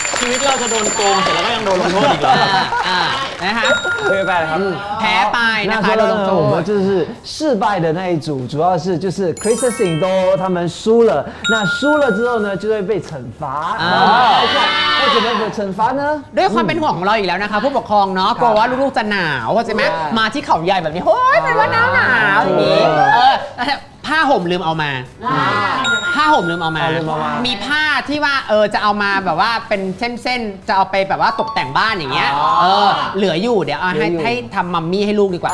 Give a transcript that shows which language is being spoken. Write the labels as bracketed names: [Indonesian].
[Thai] ชีวิตเราจะโดนโกงเสร็จแล้วก็ยังโดนลงโทษอีก นะคะ คือไปครับ แพ้ไปนะคะโดนลงโทษ เราจะคือ [Chinese] 失败的那一组主要是就是 Chris Singo 他们输了那输了之后呢就会被惩罚啊为什么被惩罚呢 [Thai] ด้วยความเป็นห่วงของเราอีกแล้วนะคะผู้ปกครองเนาะกลัวว่าลูกๆจะหนาวใช่ไหมมาที่เขาใหญ่แบบนี้โอ้ยมันว่าหนาวอย่างนี้ผ้าห่มลืมเอามาผ้าห่มลื มเอามามีผ้าที่ว่าจะเอามาแบบว่าเป็นเส้นๆจะเอาไปแบบว่าตกแต่งบ้านอย่างเงี้ยเหลืออยู่เดี๋ยวให้ทำมัมมี่ให้ลูกดีกว่า